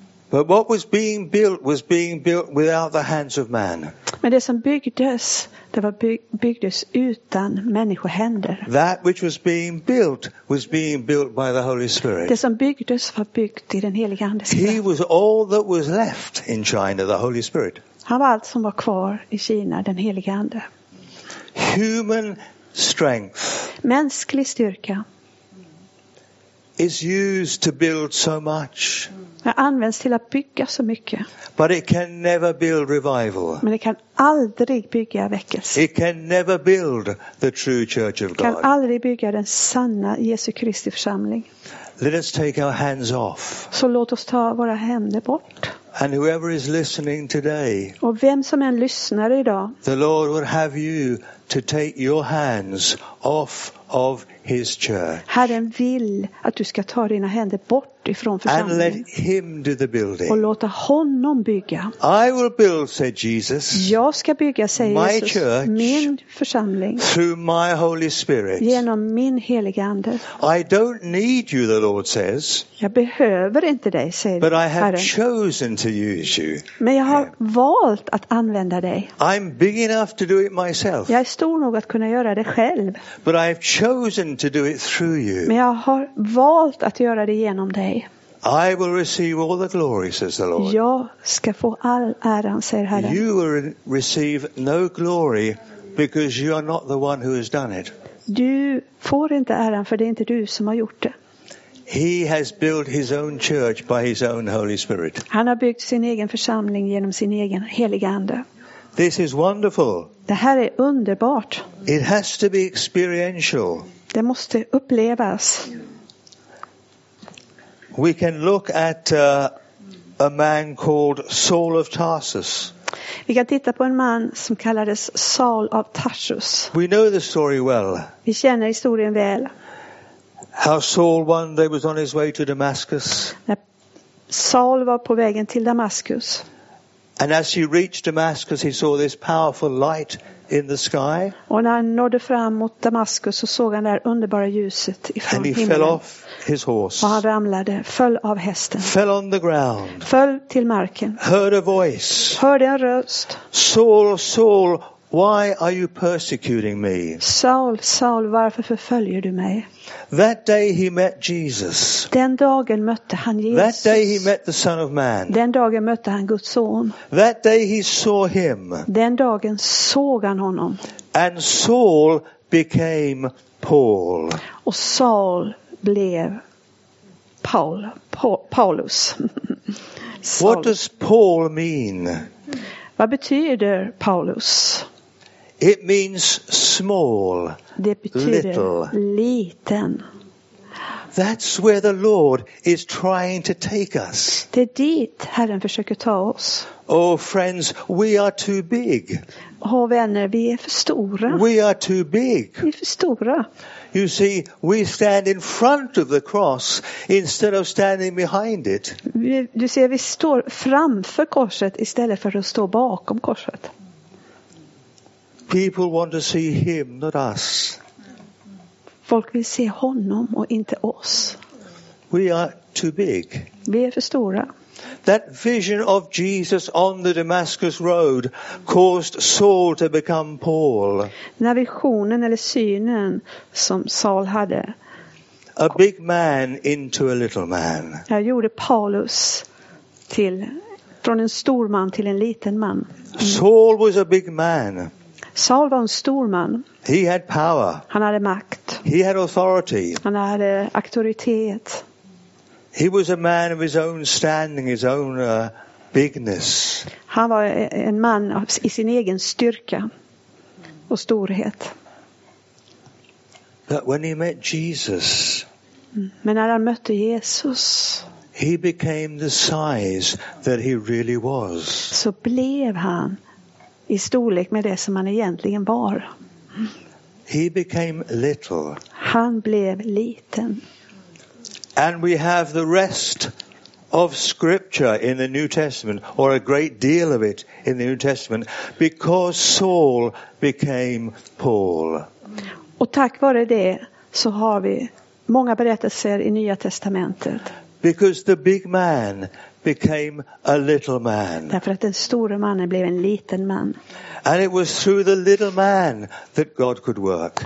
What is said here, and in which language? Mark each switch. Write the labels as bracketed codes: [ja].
[en] But what was being built without the hands of man. [sv] Men det som byggdes, det var byggdes utan människohänder. [en] That which was being built by the Holy Spirit. [sv] Det som byggdes var byggt i den helige ande. [en] He was all that was left in China, the Holy Spirit. [sv] Han var allt som var kvar i Kina, den helige ande. [en] Human strength. [sv] Mänsklig styrka. [en] Is used to build so much. [sv] Det används till att bygga så mycket. [en] But it can never build revival. [sv] Men det kan aldrig bygga väckelse. [en] It can never build the true church of God. [sv] Kan aldrig bygga den sanna Jesu Kristi församling. [en] Let us take our hands off. [sv] Så låt oss ta våra händer bort. [en] And whoever is listening today. [sv] Och vem som än lyssnar idag. [en] The Lord will have you to take your hands off of his church. [sv] Herren vill att du ska ta dina händer bort ifrån församlingen. [en] And let him do the building. [sv] Och låta honom bygga. [en] I will build, said Jesus. [sv] Jag ska bygga, säger [en] my [sv] Jesus. [en] Church, [sv] min församling. [en] Through my Holy Spirit. [sv] Genom min helige ande. [en] I don't need you, the Lord says. [sv] Jag behöver inte dig, säger [en] but I have [sv] Herren. [en] Chosen to use you. [sv] Men jag har valt att använda dig. [en] I'm big enough to do it myself. [sv] Jag är stor nog att kunna göra det själv. [en] But I have chosen to do it through you. [sv] Men jag har valt att göra det genom dig. [en] I will receive all the glory, says the Lord. [sv] Jag ska få all äran, säger Herren. [en] You will receive no glory because you are not the one who has done it. [sv] Du får inte äran för det är inte du som har gjort det. [en] He has built his own church by his own Holy Spirit. [sv] Han har byggt sin egen församling genom sin egen helige ande. [en] This is wonderful. [sv] Det här är underbart. [en] It has to be experiential. [sv] Det måste upplevas. [en] We can look at a man called Saul of Tarsus. [sv] Vi kan titta på en man som kallades Saul of Tarsus. [en] We know the story well. [sv] Vi känner historien väl. [en] How Saul one day was on his way to Damascus. [sv] Saul var på vägen till Damaskus. [en] And as he reached Damascus, he saw this powerful light in the sky. [sv] Och när han nådde fram mot Damaskus så såg han det underbara ljuset ifrån himlen. [en] And he fell off his horse. [sv] Och han ramlade, föll av hästen. [en] Fell on the ground. [sv] Föll till marken. [en] Heard a voice. [sv] Hörde en röst. [en] Saul, Saul, why are you persecuting me? [sv] Saul, Saul, varför förföljer du mig? [en] That day he met Jesus. [sv] Den dagen mötte han Jesus. [en] That day he met the Son of Man. [sv] Den dagen mötte han Guds son. [en] That day he saw him. [sv] Den dagen såg han honom. [en] And Saul became Paul. [sv] Och Saul blev Paul, Paulus. Saul. [en] What does Paul mean? [sv] Vad betyder Paulus? [en] It means small. [sv] Det betyder [en] little. [sv] Liten. [en] That's where the Lord is trying to take us. [sv] Det är dit Herren försöker ta oss. [en] Oh friends, we are too big. [sv] Oh, vänner, vi är för stora. [en] We are too big. [sv] Vi är för stora. [en] You see, we stand in front of the cross instead of standing behind it. [sv] Du ser, vi står framför korset istället för att stå bakom korset. [en] People want to see him, not us. [sv] Folk vill se honom och inte oss. [en] We are too big. [sv] Vi är för stora. [en] That vision of Jesus on the Damascus road caused Saul to become Paul. [sv] När visionen eller synen som Saul hade. [en] A big man into a little man. [sv] Jag gjorde Paulus till från en stor man till en liten man. [en] Saul was a big man. [sv] Saul var en stor man. [en] He had power. [sv] Han hade makt. [en] He had authority. [sv] Han hade auktoritet. [en] He was a man of his own standing, his own bigness. [sv] Han var en man i sin egen styrka och storhet. [en] But when he met Jesus, [sv] men när han mötte Jesus, [en] he became the size that he really was. [sv] Så blev han i storlek med det som han egentligen var. [en] He became little. [sv] Han blev liten. [en] And we have the rest of scripture in the New Testament, or a great deal of it in the New Testament, because Saul became Paul. [sv] Och tack vare det så har vi många berättelser i Nya Testamentet. [en] Because the big man became a little man. [sv] Därför att den store mannen blev en liten man. [en] And it was through the little man that God could work.